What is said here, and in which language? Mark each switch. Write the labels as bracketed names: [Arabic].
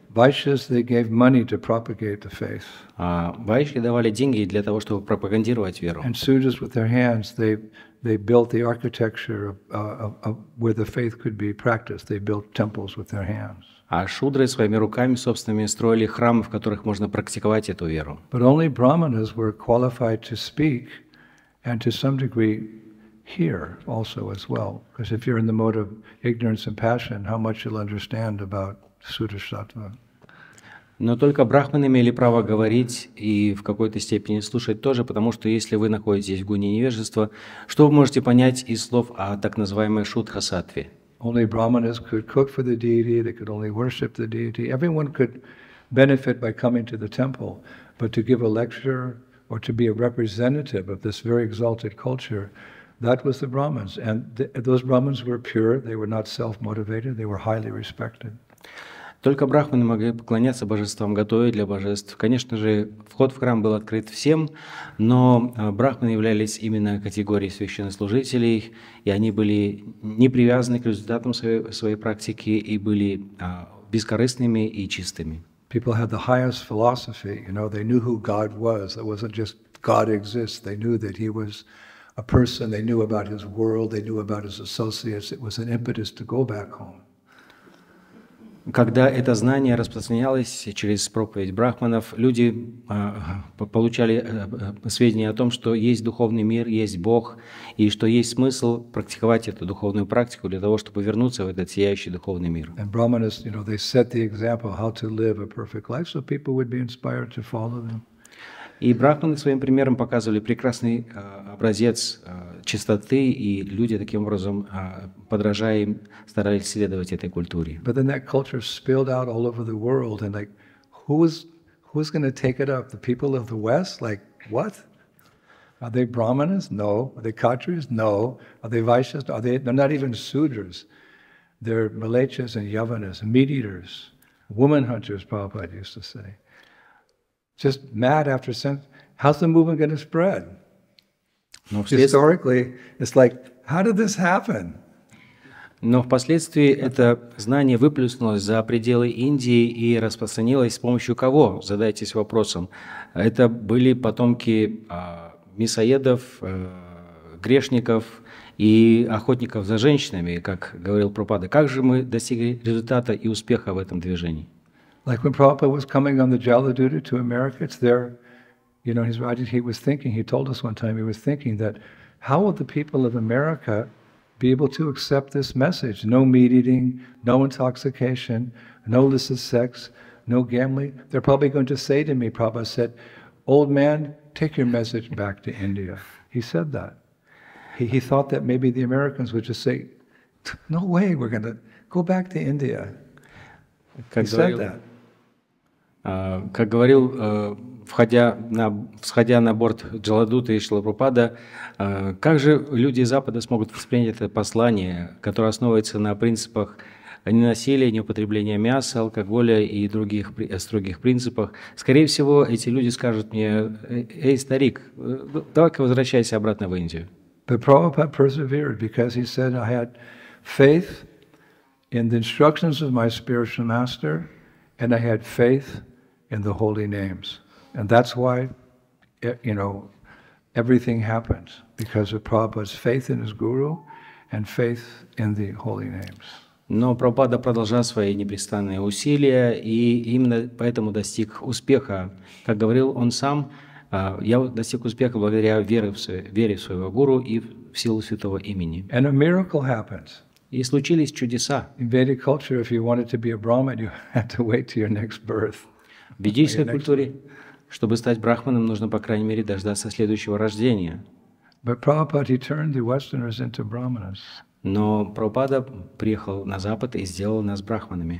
[English] Vaishyas, they gave money to propagate the faith. [Russian] Вайшьи давали деньги для того, чтобы пропагандировать веру. [English] And Sudras with their hands, they built the architecture of where the faith could be practiced. They built temples with their hands. [Russian] А шудры своими руками собственными строили храмы, в которых можно практиковать эту веру. [English] But only brahmanas were qualified to speak. And to some degree, here also as well. Because if you're in the mode of ignorance and passion, how much you'll understand about Sudarshatva. [Russian] Но только брахманы имели право говорить и в какой-то степени слушать тоже, потому что если вы находитесь в гуне невежества, что вы можете понять из слов о так называемой шудха-сатве? [English] Only brahmanas could cook for the deity, they could only worship the deity. Everyone could benefit by coming to the temple, but to give a lecture, or to be a representative of this very exalted culture, that was the Brahmins. And those Brahmins were pure, they were not self-motivated, they were highly respected. [Russian] Только брахманы могли поклоняться божествам, готовить для божеств. Конечно же, вход в храм был открыт всем, но брахманы являлись именно категорией священнослужителей, и они были не привязаны к результатам своей практики и были бескорыстными и чистыми. [English] People had the highest philosophy, you know, they knew who God was. It wasn't just God exists. They knew that he was a person. They knew about his world. They knew about his associates. It was an impetus to go back home. [Russian] Когда это знание распространялось через проповедь брахманов, люди получали сведения о том, что есть духовный мир, есть Бог, и что есть смысл практиковать эту духовную практику для того, чтобы вернуться в этот сияющий духовный мир. [English] And brahmanas, you know, they set the example how to live a perfect life, so people would be inspired to follow them. [Russian] И брахманы своим примером показывали прекрасный образец чистоты, и люди таким образом, подражая им, старались следовать этой культуре. [English] But then that culture spilled out all over the world, and like, who's going to take it up? The people of the West? Like, what? Are they brahmanas? No. Are they kshatriyas? No. Are they vaishyas? No. They're not even sudras. They're malechas and yavanas, meat eaters, woman hunters, Prabhupada used to say. Just mad after sense. How's the movement going to spread? [Russian] Но [English] historically, it's like, how did this happen? [Russian] Но впоследствии это знание выплеснулось за пределы Индии и распространилось с помощью кого? Задайтесь вопросом. Это были потомки мясоедов, грешников и охотников за женщинами, как говорил Прабхупада. Как же мы достигли результата и успеха в этом движении? [English] Like when Prabhupada was coming on the Jaladuta to America, it's there, you know, he told us one time, he was thinking that how will the people of America be able to accept this message? No meat eating, no intoxication, no licit sex, no gambling. They're probably going to say to me, Prabhupada said, old man, take your message back to India. He said that. He thought that maybe the Americans would just say, no way, we're going to go back to India. He said that. [Russian] Как говорил, входя на борт Джаладута и Шрилы Прабхупады, как же люди Запада смогут воспринять это послание, которое основывается на принципах ненасилия, неупотребления мяса, алкоголя и других строгих принципах? Скорее всего, эти люди скажут мне, эй, старик, давай-ка возвращайся обратно в Индию. [English] But Prabhupada persevered because he said, I had faith in the instructions of my spiritual master, and I had faith in the holy names. And that's why, you know, everything happens, because of Prabhupada's faith in his guru and faith in the holy names. [Russian] Но Прабхупада продолжал свои непрестанные усилия, и именно поэтому достиг успеха. Как говорил он сам, я достиг успеха благодаря вере в своего гуру и в силу святого имени. [English] And a miracle happens. [Russian] И случились чудеса. [English] In Vedic culture, if you wanted to be a Brahmin, you had to wait to your next birth. [Russian] В ведической культуре, чтобы стать брахманом, нужно, по крайней мере, дождаться следующего рождения. [English] But Prabhupada, he turned the Westerners into brahmanas. [Russian] Но Прабхупада приехал на Запад и сделал нас брахманами.